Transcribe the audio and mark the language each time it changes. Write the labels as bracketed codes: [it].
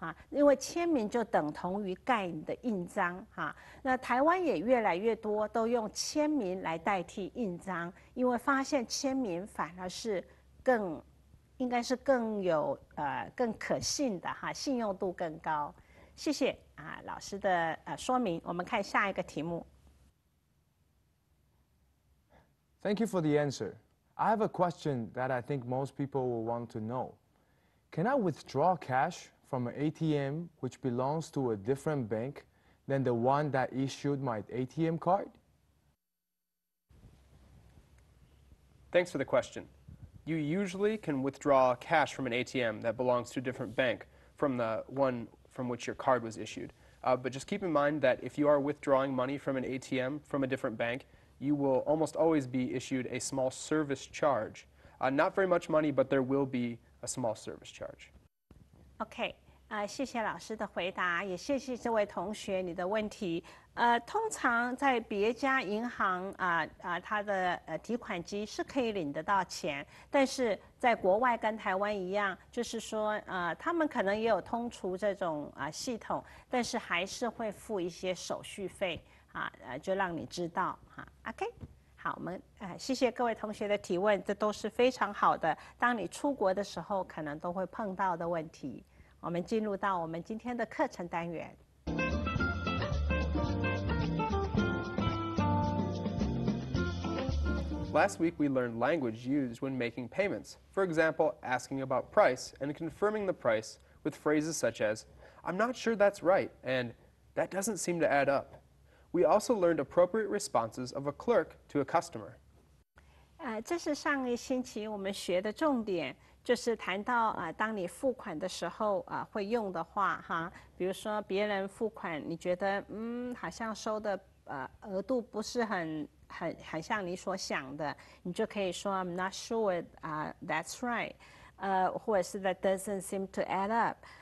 [zh] 因为签名就等同于盖你的印章，那台湾也越来越多都用签名来代替印章，因为发现签名反而是更应该是更有更可信的，信用度更高。谢谢老师的说明，我们看下一个题目。 [en] Thank you for the answer. I have a question that I think most people will want to know. Can I withdraw cash? From an ATM which belongs to a different bank than the one that issued my ATM card? Thanks for the question. You usually can withdraw cash from an ATM that belongs to a different bank from the one from which your card was issued. But just keep in mind that if you are withdrawing money from an ATM from a different bank, you will almost always be issued a small service charge. Not very much money, but there will be a small service charge. Okay. [zh] 谢谢老师的回答，也谢谢这位同学你的问题。通常在别家银行他的提款机是可以领得到钱，但是在国外跟台湾一样，就是说他们可能也有通储这种系统，但是还是会付一些手续费就让你知道哈。 [en] OK。 [zh] 好，我们谢谢各位同学的提问，这都是非常好的，当你出国的时候可能都会碰到的问题。我们进入到我们今天的课程单元。 [en] Last week we learned language used when making payments. For example, asking about price and confirming the price with phrases such as, I'm not sure that's right, and that doesn't seem to add up. We also learned appropriate responses of a clerk to a customer. [zh] 这是上一星期我们学的重点。就是谈到当你付款的时候会用的话哈，比如说别人付款，你觉得好像收的额度不是很像你所想的，你就可以说 [en] I'm not sure that's right， [zh] 或者是 [en] that doesn't seem to add up。